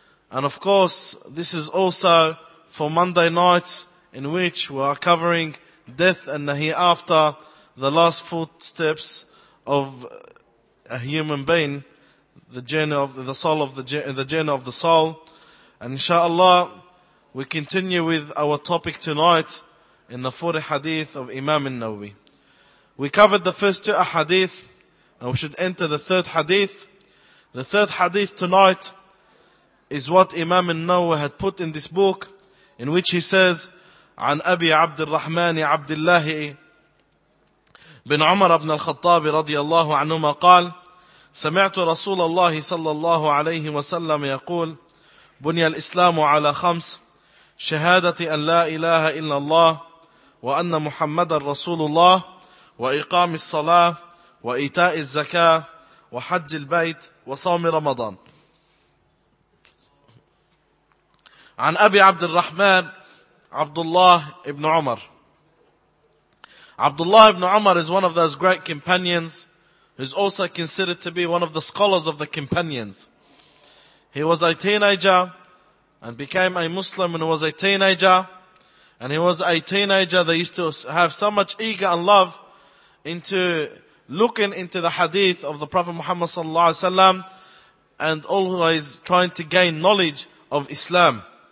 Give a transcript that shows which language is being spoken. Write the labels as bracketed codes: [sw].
[en] And of course, this is also for Monday nights, in which we are covering death and the hereafter, the last footsteps of a human being, the journey of the soul. And inshallah, we continue with our topic tonight in the 40 hadith of Imam An-Nawwi. We covered the first two hadith, and we should enter the third hadith. The third hadith tonight is what Imam An-Nawwi had put in this book, in which he says, [ar] عن أبي عبد الرحمن عبد الله بن عمر بن الخطاب رضي الله عنهما قال سمعت رسول الله صلى الله عليه وسلم يقول بني الإسلام على خمس: شهادة أن لا إله إلا الله، وأن محمد رسول الله، وإقام الصلاة، وإيتاء الزكاة، وحج البيت، وصوم رمضان. عن أبي عبد الرحمن عبد الله ابن عمر. [en] عبد الله ابن عمر is one of those great companions, who's also considered to be one of the scholars of the companions. He was a teenager and became a Muslim when he was a teenager. And he was a teenager that used to have so much eager and love into looking into the hadith of the Prophet Muhammad sallallahu alaihi wasallam, and always trying to gain knowledge of Islam.